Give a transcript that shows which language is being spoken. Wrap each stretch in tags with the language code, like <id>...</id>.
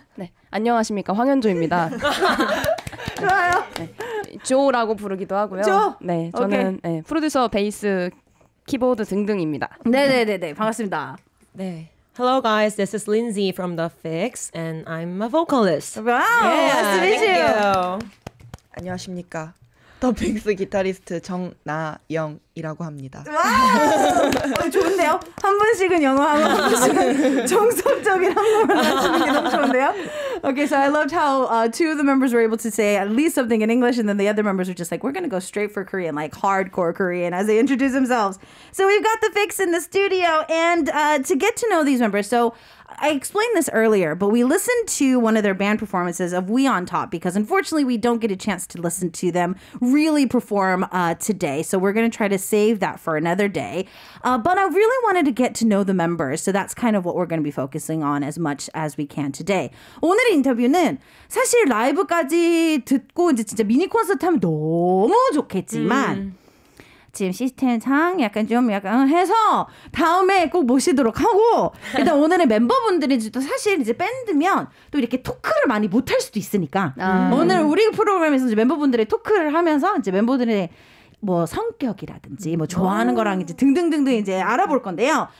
<ko>네, 안녕하십니까, 황현조입니다. 좋아요. 네, 조라고 부르기도 하고요. 조. 네, 저는 네, 프로듀서, 베이스, 키보드 등등입니다. 네네네네, 반갑습니다. 네.</ko> <en>Hello guys, this is Lindsay from The Fix, and I'm a vocalist. Wow, yeah, nice to meet you.</en> <ko>안녕하십니까. 더 픽스 기타리스트 정나영이라고 합니다. 와! 좋은데요? 한 분씩은 영어 하고 한 분씩은 정석적인 한국말로 하시는 게 너무 좋은데요?</ko> <en>Okay, so I loved how two of the members were able to say at least something in English and then the other members were just like, we're gonna go straight for Korean, like hardcore Korean as they introduce themselves. So we've got The Fix in the studio and to get to know these members, so I explained this earlier, but we listened to one of their band performances of We On Top because unfortunately we don't get a chance to listen to them really perform today. So we're going to try to save that for another day. But I really wanted to get to know the members. So that's kind of what we're going to be focusing on as much as we can today.</en> <ko>오늘 인터뷰는 사실 라이브까지 듣고 이제 진짜 미니 콘서트 하면 너무 좋겠지만 지금 시스템상 약간 좀 약간 해서 다음에 꼭 모시도록 하고 일단 오늘의 멤버분들이 또 사실 이제 밴드면 또 이렇게 토크를 많이 못할 수도 있으니까 오늘 우리 프로그램에서 이제 멤버분들의 토크를 하면서 이제 멤버들의 뭐 성격이라든지 뭐 좋아하는 거랑 이제 등등등등 이제 알아볼 건데요.</ko>